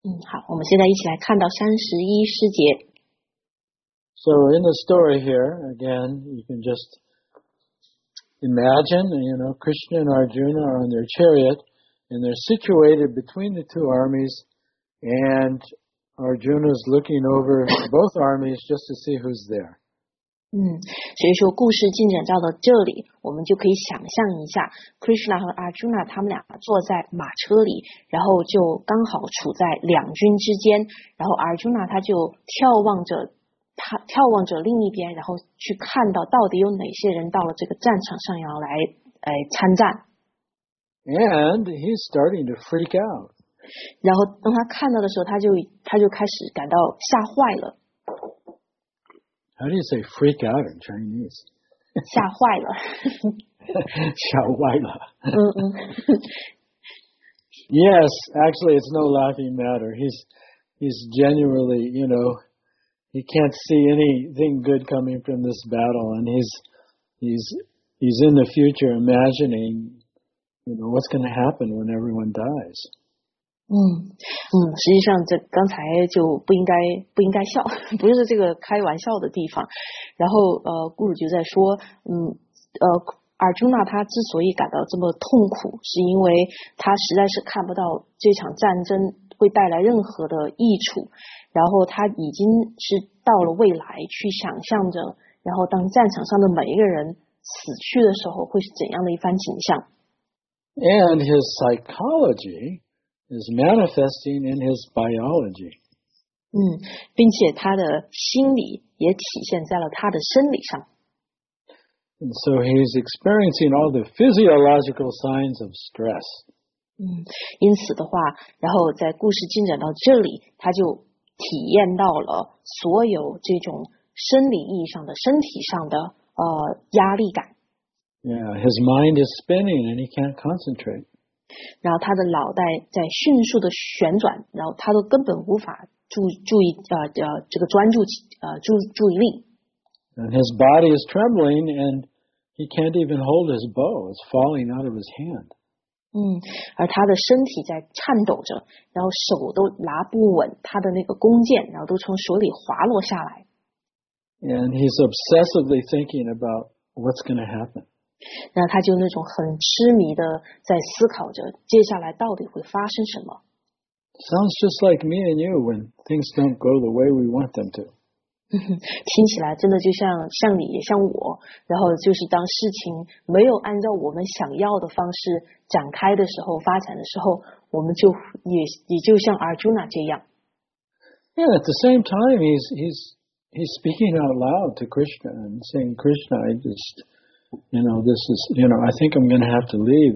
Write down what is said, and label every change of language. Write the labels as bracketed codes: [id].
[zh] 好，我们现在一起来看到31诗节。 [en] So in the story here, again, you can just imagine, you know, Krishna and Arjuna are on their chariot. And they're situated between the two armies, and Arjuna's looking over both armies just to see who's there. [zh] 所以说故事进展到了这里，我们就可以想象一下 ，Krishna 和 Arjuna 他们俩坐在马车里，然后就刚好处在两军之间，然后 Arjuna 他就眺望着另一边，然后去看到底有哪些人到了这个战场上要来参战。 [en] And he's starting to freak out. [zh] 然后当他看到的时候，他就开始感到吓坏了。 [en] How do you say freak out in Chinese? [zh] 吓坏了。吓坏了。嗯嗯。 [en] Yes, actually, it's no laughing matter. He's he's genuinely, you know, he can't see anything good coming from this battle, and he's in the future imagining, you know, what's going to happen when everyone dies. [zh] 实际上这刚才就不应该笑，不是这个开玩笑的地方。然后雇主就在说，尔朱纳他之所以感到这么痛苦，是因为他实在是看不到这场战争会带来任何的益处，然后他已经是到了未来去想象着，然后当战场上的每一个人死去的时候会是怎样的一番景象。 [en] And his psychology is manifesting in his biology. [zh] 并且他的心理也体现在了他的生理上。 [en] And so he's experiencing all the physiological signs of stress. [zh] 因此的话，然后在故事进展到这里，他就体验到了所有这种生理意义上的、身体上的压力感。 [en] Yeah, his mind is spinning and he can't concentrate. [zh] 然后他的脑袋在迅速的旋转，然后他都根本无法注意力。 [en] And his body is trembling, and he can't even hold his bow. It's falling out of his hand. [zh] 而他的身体在颤抖着，然后手都拿不稳他的那个弓箭，然后都从手里滑落下来。 [en] And he's obsessively thinking about what's going to happen. [zh] 然后他就那种很痴迷的在思考着接下来到底会发生什么。 [en] Sounds just like me and you when things don't go the way we want them to. [zh] 听起来真的就像你也像我，然后就是当事情没有按照我们想要的方式展开的时候、发展的时候，我们就也就像Arjuna这样。 [en] Yeah, at the same time, he's speaking out loud to Krishna and saying, Krishna, I just, you know, this is, you know, I think I'm going to have to leave.